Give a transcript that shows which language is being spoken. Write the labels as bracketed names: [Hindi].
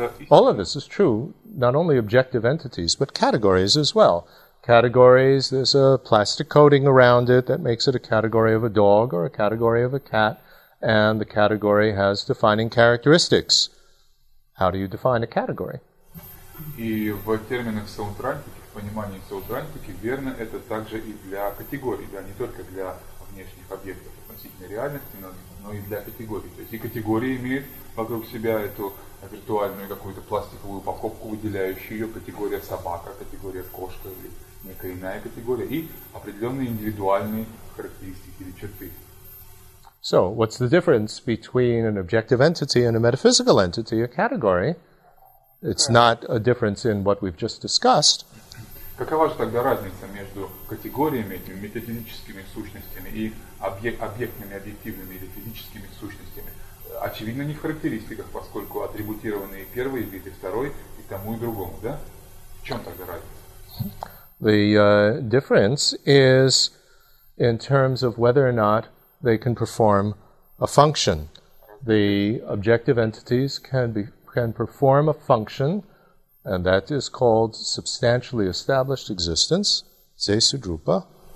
[English] All of this is true, not only objective entities, but categories as well. Categories, there's a plastic coating around it that makes it a category of a dog or a category of a cat, and the category has defining characteristics. How do you define a category? [Russian] И в терминах саутрантики, в понимании саутрантики, верно это также и для категорий, да, не только для внешних объектов относительно реальности, но и для категорий. То есть и категории имеют вокруг себя эту виртуальную какую-то пластиковую упаковку, выделяющую ее, категория собака, категория кошка или некая иная категория, и определенные индивидуальные характеристики или черты. [English] So, what's the difference between an objective entity and a metaphysical entity, a category? It's not a difference in what we've just discussed. [Russian] Какова же тогда разница между категориями, этими метафизическими сущностями, и объектными, объективными или физическими сущностями? Очевидно, не в характеристиках, поскольку атрибутированные первый вид и второй, и тому, и другому, да? В чем тогда разница? [English] The difference is in terms of whether or not they can perform a function. The objective entities can perform a function, and that is called substantially established existence, zesudrupa.